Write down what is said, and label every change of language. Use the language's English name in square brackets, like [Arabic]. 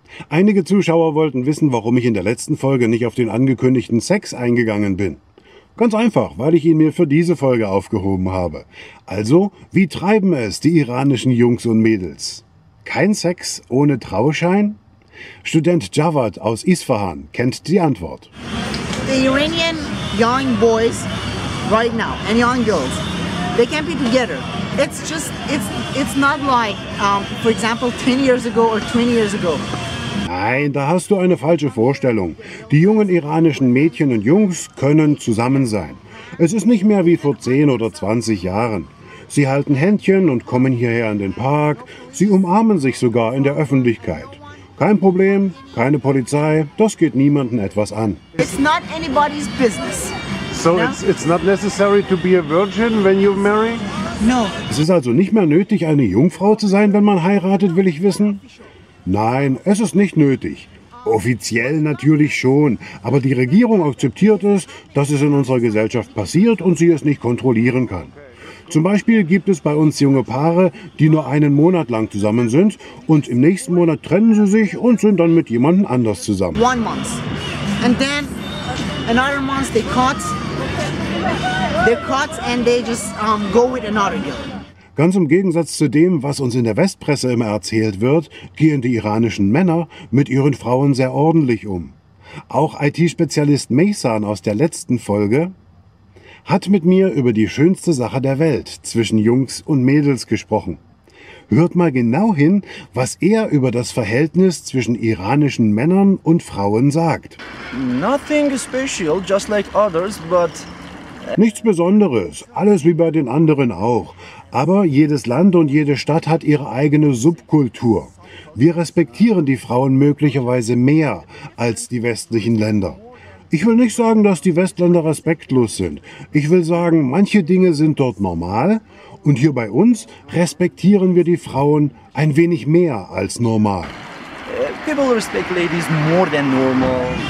[German] Einige Zuschauer wollten wissen, warum ich in der letzten Folge nicht auf den angekündigten Sex eingegangen bin. Ganz einfach, weil ich ihn mir für diese Folge aufgehoben habe. Also, wie treiben es die iranischen Jungs und Mädels? Kein Sex ohne Trauschein? Student Javad aus Isfahan kennt die Antwort. [English] The Iranian young boys right now and young girls, they can't be together. It's just, it's not like, for example, 10 years ago or 20 years ago. [German] Nein, da hast du eine falsche Vorstellung. Die jungen iranischen Mädchen und Jungs können zusammen sein. Es ist nicht mehr wie vor 10 oder 20 Jahren. Sie halten Händchen und kommen hierher in den Park. Sie umarmen sich sogar in der Öffentlichkeit. Kein Problem, keine Polizei, das geht niemanden etwas an. [English] It's not anybody's business. So no? it's not necessary to be a virgin when you marry? No. [German] Es ist also nicht mehr nötig, eine Jungfrau zu sein, wenn man heiratet, will ich wissen? Nein, es ist nicht nötig. Offiziell natürlich schon, aber die Regierung akzeptiert es, dass es in unserer Gesellschaft passiert und sie es nicht kontrollieren kann. Zum Beispiel gibt es bei uns junge Paare, die nur einen Monat lang zusammen sind und im nächsten Monat trennen sie sich und sind dann mit jemandem anders zusammen. [English] One month. And then another month they cut. They cut and they just go with another girl. [German] Ganz im Gegensatz zu dem, was uns in der Westpresse immer erzählt wird, gehen die iranischen Männer mit ihren Frauen sehr ordentlich um. Auch IT-Spezialist Mehsan aus der letzten Folge hat mit mir über die schönste Sache der Welt zwischen Jungs und Mädels gesprochen. Hört mal genau hin, was er über das Verhältnis zwischen iranischen Männern und Frauen sagt. [English] Nothing special, just like others, but... [German] Nichts Besonderes, alles wie bei den anderen auch. Aber jedes Land und jede Stadt hat ihre eigene Subkultur. Wir respektieren die Frauen möglicherweise mehr als die westlichen Länder. Ich will nicht sagen, dass die Westländer respektlos sind. Ich will sagen, manche Dinge sind dort normal und hier bei uns respektieren wir die Frauen ein wenig mehr als normal. [English] People respect ladies more than normal.